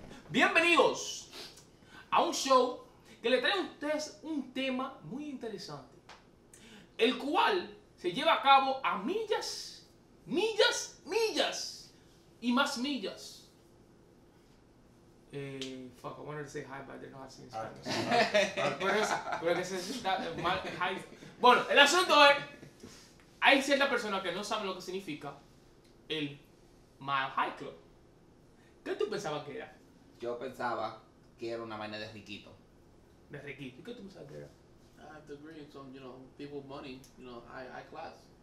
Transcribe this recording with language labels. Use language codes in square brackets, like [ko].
[es] Bienvenidos a un show que le trae a ustedes un tema muy interesante, el cual se lleva a cabo a millas, millas, millas y más millas. [en] Fuck, I wanted to say hi, but I didn't know how to say it. [es] Bueno, el asunto es, hay cierta persona que no sabe lo que significa el Mile High Club. ¿Qué tú pensabas que era? Yo pensaba que era una vaina de riquito. ¿De riquito? ¿Qué tú pensabas que era? [en] I have to agree, some, you know, people with money, you know, high class.